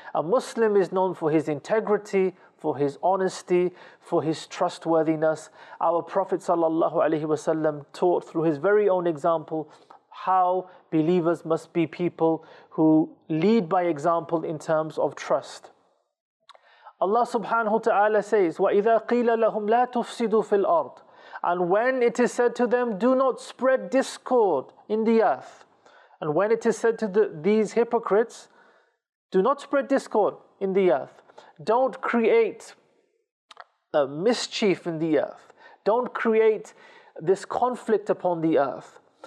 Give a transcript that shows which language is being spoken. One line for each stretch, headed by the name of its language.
English: A Muslim is known for his integrity, for his honesty, for his trustworthiness. Our Prophet sallallahu alaihi wasallam taught through his very own example how believers must be people who lead by example in terms of trust. Allah subhanahu wa ta'ala says,
Arabic: وَإِذَا قِيلَ لَهُمْ لَا تُفْسِدُوا فِي الْأَرْضِ,
English: And when it is said to them, do not spread discord in the earth. And when it is said to these hypocrites, do not spread discord in the earth. Don't create a mischief in the earth. Don't create this conflict upon the earth.